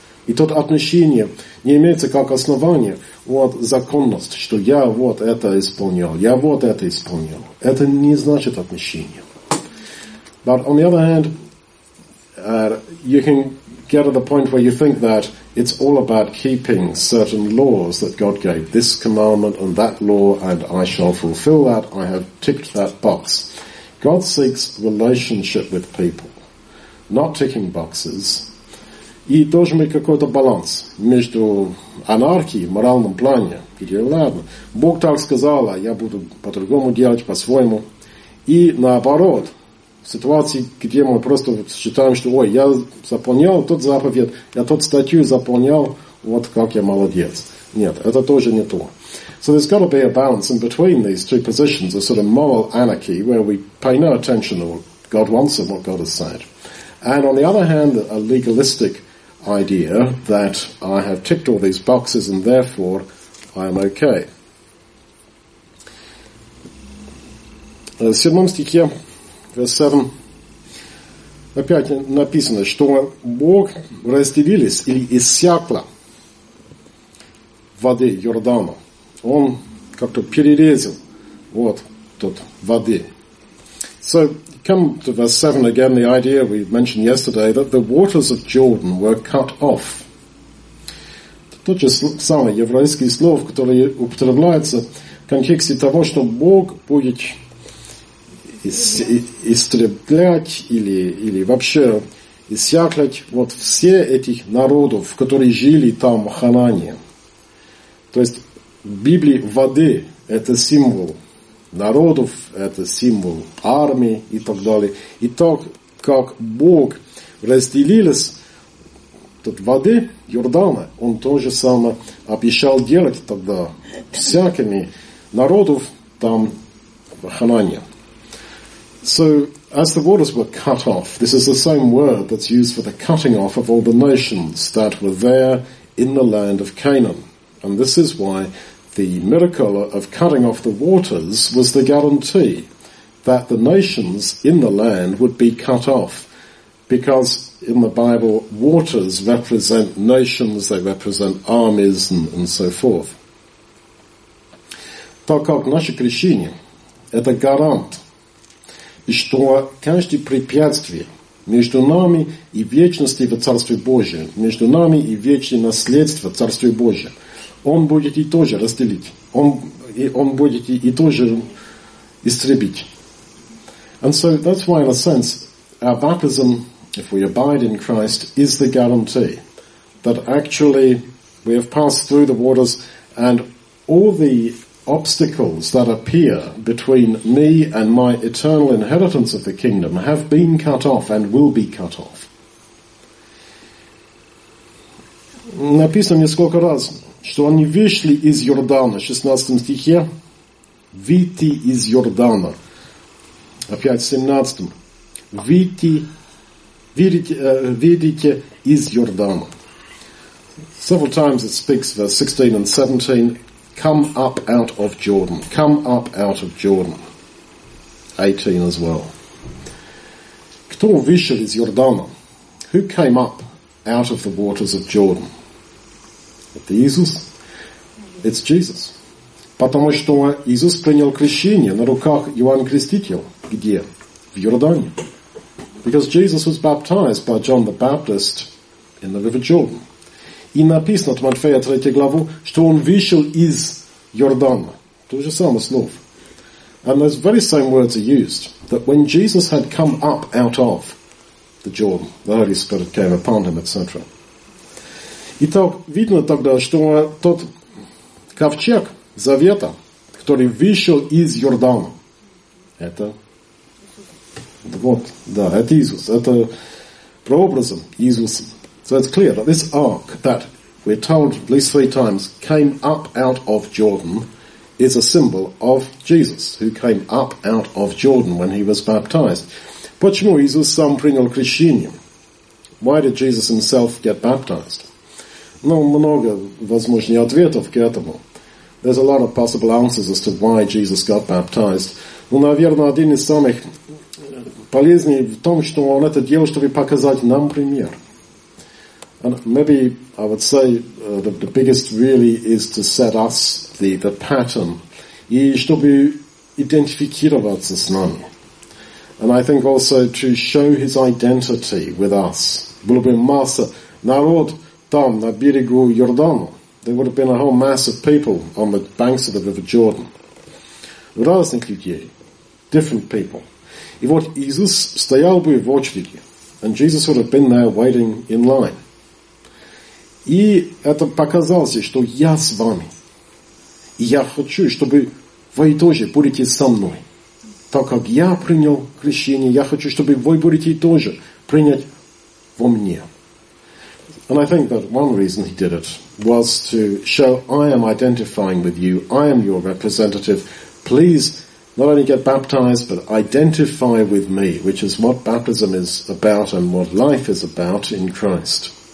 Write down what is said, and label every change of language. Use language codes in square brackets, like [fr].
[ru] И тот отмещение не имеется как основание. Вот законность, что я вот это исполнял, я вот это исполнял. Это не значит отмещение. [en] But on the other hand, you can get to the point where you think that it's all about keeping certain laws that God gave, this commandment and that law, and I shall fulfill that, I have ticked that box. God seeks relationship with people, not ticking boxes. [ru] И должен быть какой-то баланс между анархией в моральном плане. Или, ладно, Бог так сказал, а я буду по-другому делать, по-своему. И наоборот, в ситуации, где мы просто считаем, что ой, я заполнял тот заповедь, я тот статью заполнял, вот как я молодец. Нет, это тоже не то. [en] So there's got to be a balance in between these two positions, a sort of moral anarchy where we pay no attention to what God wants and what God has said. And on the other hand, a legalistic idea that I have ticked all these boxes and therefore I am okay. [ru] В 7 стихе, [en] verse 7, [ru] опять написано, что Бог разделились или иссякла воды Йордана. Он как-то перерезал вот тут воды. [en] So, come to verse 7 again, the idea we mentioned yesterday, that the waters of Jordan were cut off. [ru] Тот же самый еврейский слов, который употребляется в контексте того, что Бог будет истреблять или вообще иссяклять вот все этих народов, которые жили там в Ханане. То есть в Библии воды – это символ народов, это символ армии и так далее. И так, как Бог разделились от воды Йордана, Он тоже самое обещал делать тогда всякими народов там в Ханане. [en] So, as the waters were cut off, this is the same word that's used for the cutting off of all the nations that were there in the land of Canaan. And this is why the miracle of cutting off the waters was the guarantee that the nations in the land would be cut off. Because in the Bible, waters represent nations, they represent armies and so forth. [ru] Так как наше крещение – это гарант, и что каждое препятствие между нами и вечностью в Царстве Божьем, между нами и вечное наследство в Царстве Божьем, Он будет и тоже разделить. Он будет и тоже истребить. [en] And so that's why, in a sense, our baptism, if we abide in Christ, is the guarantee that actually we have passed through the waters and all the obstacles that appear between me and my eternal inheritance of the kingdom have been cut off and will be cut off. [ru] Написано несколько раз, что они вышли из Йордана, в 16 стихе, выйти из Йордана, опять в 17, выйти из Йордана. [en] Several times it speaks, verse 16 and 17, come up out of Jordan, come up out of Jordan, 18 as well. [ru] Кто вышел из Йордана? [en] Who came up out of the waters of Jordan? [ru] Это Иисус? [en] It's Jesus. [ru] Потому что Иисус принял крещение на руках Иоанна Крестителя. Где? В Иордане. [en] Because Jesus was baptized by John the Baptist in the River Jordan. [ru] И написано в Матфея 3 главу, что он вышел из Иордана. То же самое слово. [en] And those very same words are used, that when Jesus had come up out of the Jordan, the Holy Spirit came upon him, etc. [ru] Итак, видно тогда, что тот ковчег Завета, который вышел из Йордана, это вот, да, это Иисус, это прообразом Иисуса. [en] So it's clear that this ark that we're told at least three times came up out of Jordan is a symbol of Jesus, who came up out of Jordan when he was baptized. [ru] Почему Иисус сам принял крещение? [en] Why did Jesus himself get baptized? [ru] Ну, много возможных ответов к этому. [en] There's a lot of possible answers as to why Jesus got baptized. [ru] Ну, наверное, один из самых полезных в том, что он это делал, чтобы показать нам пример. [en] And maybe I would say the biggest really is to set us the pattern. [ru] И чтобы идентифицироваться с нами. [en] And I think also to show his identity with us. [ru] Было бы масса народ там, на берегу Йордана. [en] There would have been a whole mass of people on the banks of the River Jordan. [ru] Разных людей. [en] Different people. [ru] И вот Иисус стоял бы в очереди. [en] And Jesus would have been there waiting in line. [ru] И это показалось, что я с вами. И я хочу, чтобы вы тоже будете со мной. Так как я принял крещение, я хочу, чтобы вы будете тоже принять во мне. [en] And I think that one reason he did it was to show I am identifying with you, I am your representative. Please not only get baptized, but identify with me, which is what baptism is about and what life is about in Christ.